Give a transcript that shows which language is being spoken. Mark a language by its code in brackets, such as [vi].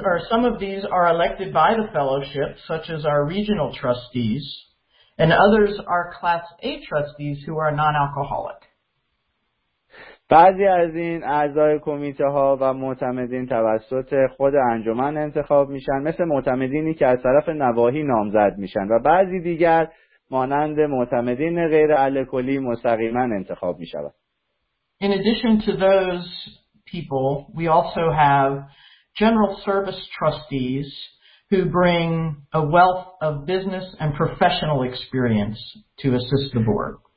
[en] Some of these are elected by the fellowship, such as our regional trustees. And others are Class A trustees who are non-alcoholic. [fa] بعضی از این اعضای کمیته ها و معتمدین توسط خود انجمن انتخاب میشن، مثل معتمدینی که از طرف نواحی نامزد میشن، و بعضی دیگر مانند معتمدین غیر الکلی مستقیما انتخاب میشوند. [en] In addition to those people, we also have general service trustees who bring a wealth of business and professional experience to assist the board.